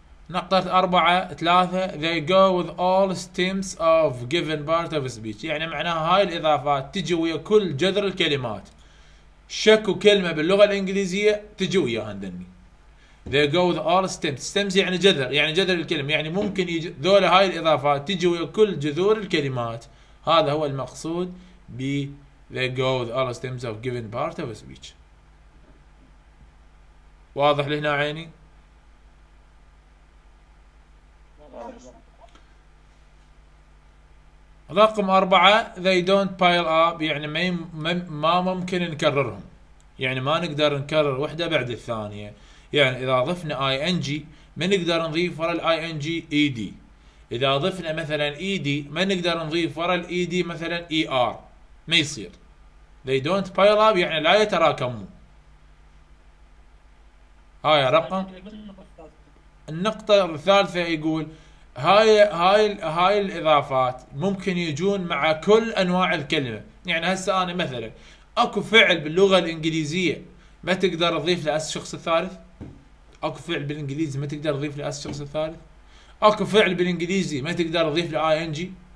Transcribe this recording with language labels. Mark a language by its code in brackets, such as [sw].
[ar] نقطة أربعة ثلاثة [en] they go with all stems of given part of speech، [ar] يعني معناها هاي الإضافات تجي ويا كل جذر الكلمات. شكو كلمة باللغة الإنجليزية تجي ويا هندني. [en] they go with all stems، [ar] stems يعني جذر، يعني جذر الكلمة، يعني ممكن يجي ذولا هاي الإضافات تجي ويا كل جذور الكلمات. هذا هو المقصود ب [en] they go with all stems of given part of speech. [ar] واضح لهنا عيني؟ رقم أربعة [en] they don't pile up، [ar] يعني ما ممكن نكررهم، يعني ما نقدر نكرر واحدة بعد الثانية. يعني إذا ضفنا ing ما نقدر نضيف وراء ing ed، إذا ضفنا مثلا ed ما نقدر نضيف وراء ed مثلا er، ما يصير. [en] they don't pile up [ar] يعني لا يتراكموا. هاي رقم النقطة الثالثة يقول هاي الاضافات ممكن يجون مع كل انواع الكلمه. يعني هسه انا مثلا اكو فعل باللغه الانجليزيه ما تقدر تضيف له اس الشخص الثالث، اكو فعل بالانجليزي ما تقدر تضيف له اس الشخص الثالث، اكو فعل بالانجليزي ما تقدر تضيف له اي ان جي.